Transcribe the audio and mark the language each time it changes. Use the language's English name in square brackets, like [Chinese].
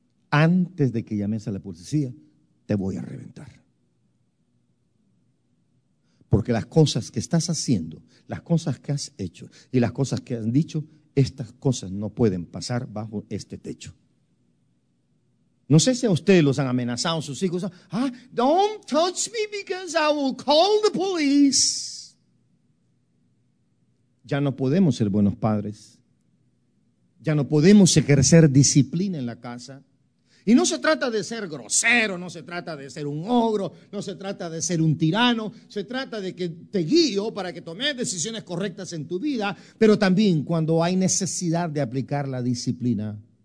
[Spanish] Antes de que llames a la policía, te voy a reventar. Porque las cosas que estás haciendo, las cosas que has hecho y las cosas que has dicho, estas cosas no pueden pasar bajo este techo. No sé si a ustedes los han amenazado sus hijos. [English] Ah, don't touch me because I will call the police. [Spanish] Ya no podemos ser buenos padres. Ya no podemos ejercer disciplina en la casa. Y no se trata de ser grosero, no se trata de ser un ogro, no se trata de ser un tirano. Se trata de que te guío para que tomes decisiones correctas en tu vida, pero también cuando hay necesidad de aplicar la disciplina.